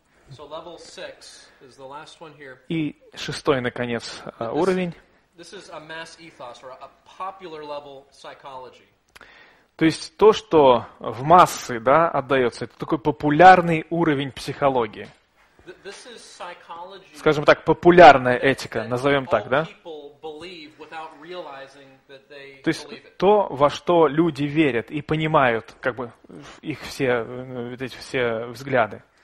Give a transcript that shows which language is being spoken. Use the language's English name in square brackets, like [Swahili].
[English] So level six is the last one here. [Russian] И шестой, наконец, уровень. [English] This is a mass ethos, or a popular level psychology. [Russian] То есть то, что в массы, да, отдается, это такой популярный уровень психологии. [English] This is psychology, [Russian] скажем так, популярная этика, назовем так, да? То есть то, во что люди верят и понимают, как бы их все эти все взгляды.